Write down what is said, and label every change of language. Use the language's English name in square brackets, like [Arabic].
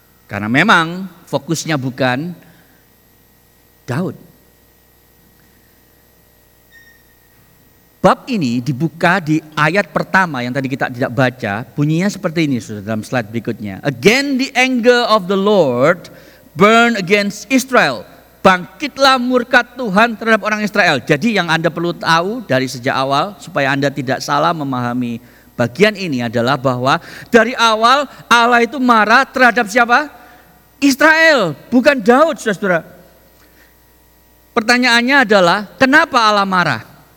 [Indonesian] Karena memang fokusnya bukan Daud. Bab ini dibuka di ayat pertama yang tadi kita tidak baca. Bunyinya seperti ini sudah dalam slide berikutnya. [English] Again the anger of the Lord burn against Israel. [Indonesian] Bangkitlah murka Tuhan terhadap orang Israel. Jadi yang Anda perlu tahu dari sejak awal supaya Anda tidak salah memahami bagian ini adalah bahwa dari awal Allah itu marah terhadap siapa? Israel, bukan Daud, saudara. Pertanyaannya adalah, kenapa Allah marah?